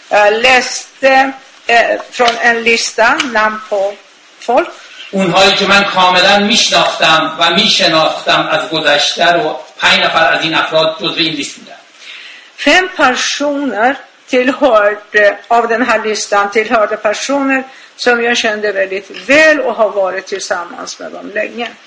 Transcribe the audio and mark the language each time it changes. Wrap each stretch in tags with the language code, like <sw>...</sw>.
<sv>Läste från en lista namn på folk.</sv> <fa>اونهایی که من کاملا میشناختم و میشناختم از گذشته رو 5 نفر از این افراد جزو این لیست بودن.</fa> <sv>5 personer tillhörde av den här listan tillhörde personer som jag kände väldigt väl och har varit tillsammans med dem länge.</sv>